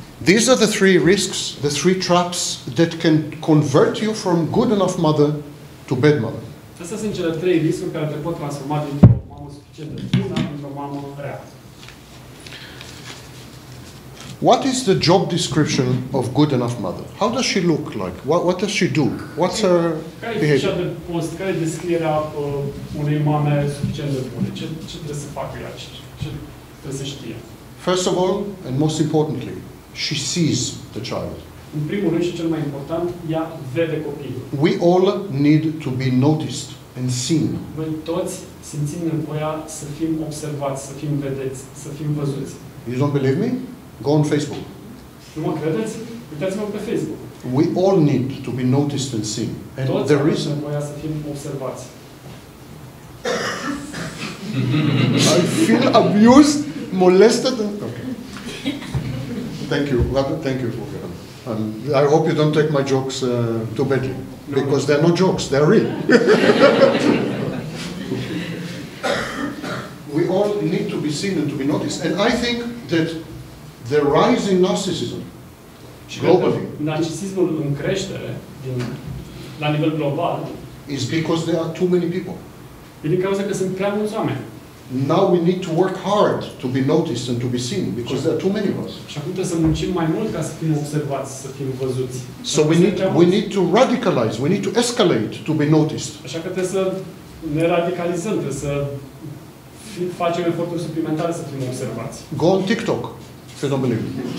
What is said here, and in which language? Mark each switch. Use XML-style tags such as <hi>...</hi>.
<en>These are the three risks, the three traps that can convert you from good enough mother to bad mother.</en> <ro>Acestea sunt cele trei riscuri care te pot transforma dintr-o mamă suficient de bună într-o mamă rea.</ro> <en>What is the job description of good enough mother? How does she look like? What does she do? What's her behavior?</en> <ro>Care este descrierea unei mame suficient de bune? Ce trebuie să facă ea? Ce trebuie să știe?</ro> <en>First of all, and most importantly, she sees the child.</en> <ro>În primul rând și cel mai important, ea vede copilul.</ro> <en>We all need to be noticed and seen.</en> <ro>Noi toți simțim nevoia să fim observați, să fim vedeți, să fim văzuți.</ro> <en>You don't believe me? Go on Facebook.</en> <ro>Nu mă credeți? Uitați-vă pe Facebook.</ro> <en>We all need to be noticed and seen. And</en> <ro>toți</ro> <en>there is</en> <ro>nevoia să fim observați.</ro> <en>I feel abused, molested. Okay. Thank you. Thank you for that. I hope you don't take my jokes too badly, because they're not jokes; they're real. We all need to be seen and to be noticed. And I think that the rise in narcissism globally,</en> <ro>narcisismul în creștere la nivel global,</ro> <en>is because there are too many people.</en> <ro>Din cauza că sunt prea mulți oameni.</ro> <en>Now we need to work hard to be noticed and to be seen, because there are too many of us.</en> <ro>Și acum trebuie să muncim mai mult ca să fim observați, să fim văzuți.</ro> <en>So we need to radicalize, we need to escalate to be noticed.</en> <ro>Așa că trebuie să ne radicalizăm, trebuie să facem eforturi suplimentare să fim observați.</ro> <en>Go on TikTok, if you don't believe me.</en>